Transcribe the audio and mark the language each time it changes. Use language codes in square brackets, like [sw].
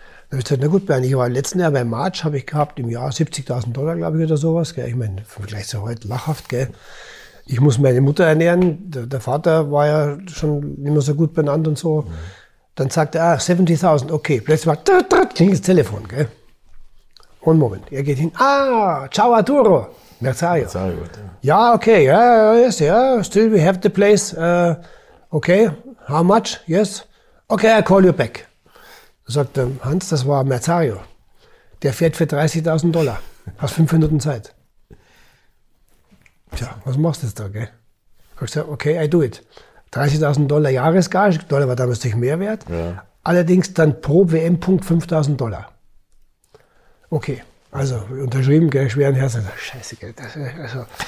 [de] Da habe ich gesagt, na gut, Bernd, ich war letzten Jahr bei March, habe ich gehabt, im Jahr 70.000 Dollar, glaube ich, oder sowas. Gell? Ich meine, im Vergleich zu heute lachhaft, gell. Ich muss meine Mutter ernähren, der Vater war ja schon nicht mehr so gut benannt und so. Mhm. Dann sagt er, 70.000, okay. Plötzlich klingt das Telefon, gell. Und Moment, er geht hin, ciao Arturo, Merzario. [en] Ja, okay, still we have the place, okay, how much, yes, okay, I call you back. [de] Sagt Hans, das war Merzario, der fährt für 30.000 Dollar, hast 5 Minuten Zeit. Tja, was machst du jetzt da, gell? Hab ich gesagt, [en] okay, I do it. [de] 30.000 Dollar Jahresgage, Dollar war damals durch mehr wert, ja. Allerdings dann pro WM-Punkt 5.000 Dollar. Okay, also unterschrieben, gell, schweren Herzen. Scheiße, gell. Also.